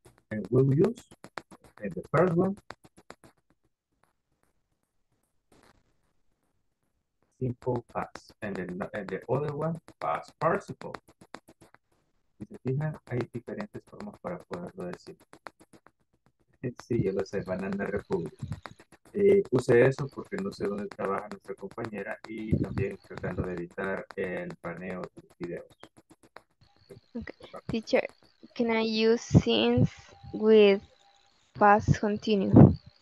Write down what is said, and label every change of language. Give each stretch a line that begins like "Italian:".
English: And we'll use in the first one, simple past, and the other one, past participle.
Spanish: Si se fijan, hay diferentes formas para poderlo decir. Sí, yo lo sé, Banana Republic. Puse eso porque no sé dónde trabaja nuestra compañera y también tratando de editar el paneo de los videos. Okay.
English: Teacher, can I use since with past continue?